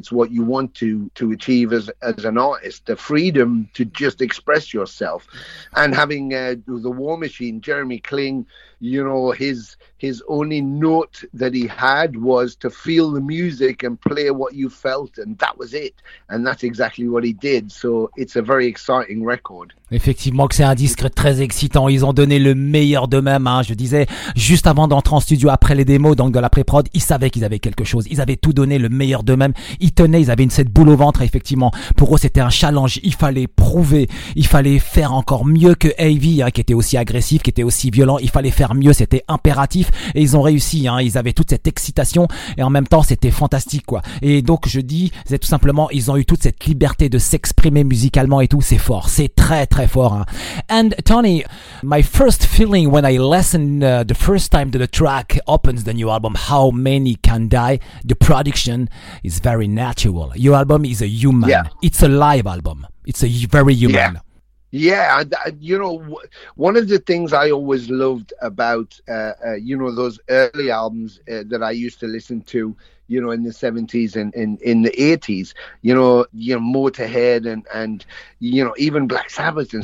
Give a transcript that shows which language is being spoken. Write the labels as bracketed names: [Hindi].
[English] It's what you want to achieve as an artist, the freedom to just express yourself. And having the War Machine, Jeremy Kling, you know, his only note that he had was to feel the music and play what you felt, and that was it. And that's exactly what he did. So it's a very exciting record. [French] Effectivement que c'est un disque très excitant, ils ont donné le meilleur d'eux-mêmes, hein. Je disais, juste avant d'entrer en studio, après les démos, donc de la pré-prod, ils savaient qu'ils avaient quelque chose, ils avaient tout donné, le meilleur d'eux-mêmes, ils tenaient, ils avaient cette boule au ventre. Effectivement, pour eux c'était un challenge, il fallait prouver, il fallait faire encore mieux que Heavy, hein, qui était aussi agressif, qui était aussi violent, il fallait faire mieux, c'était impératif, et ils ont réussi, hein. Ils avaient toute cette excitation, et en même même temps, c'était fantastique, quoi. Et donc, je dis, c'est tout simplement, ils ont eu toute cette liberté de s'exprimer musicalement et tout. C'est fort. C'est très, très fort, hein. [English] And Tony, my first feeling when I listened the first time to the track opens the new album, How Many Can Die, the production is very natural. Your album is a human. Yeah. It's a live album. It's a very human. Yeah. Yeah, you know, one of the things I always loved about, you know, those early albums that I used to listen to, you know, in the 70s and in the 80s, you know, Motorhead and, you know, even Black Sabbath.